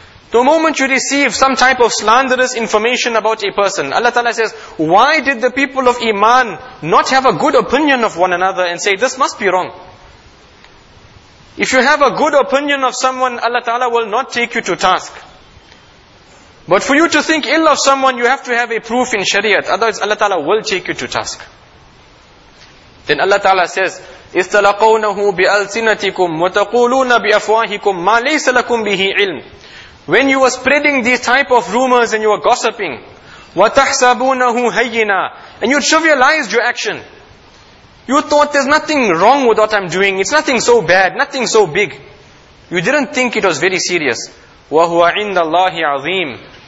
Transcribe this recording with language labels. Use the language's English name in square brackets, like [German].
[English] The moment you receive some type of slanderous information about a person, Allah Ta'ala says, why did the people of Iman not have a good opinion of one another and say, this must be wrong? If you have a good opinion of someone, Allah Ta'ala will not take you to task. But for you to think ill of someone, you have to have a proof in Shariat, otherwise Allah Ta'ala will take you to task. Then Allah Ta'ala says, [Arabic] إِسْتَلَقَوْنَهُ بِأَلْسِنَتِكُمْ وَتَقُولُونَ بِأَفْوَاهِكُمْ مَا لَيْسَ لَكُمْ بِهِ عِلْمٍ. [English] When you were spreading these type of rumors and you were gossiping, [Arabic] وَتَحْسَبُونَهُ هَيِّنًا, [English] and you trivialized your action. You thought there's nothing wrong with what I'm doing. It's nothing so bad, nothing so big. You didn't think it was very serious. [Arabic] وَهُوَ عِنْدَ اللَّهِ عَظِيمٍ.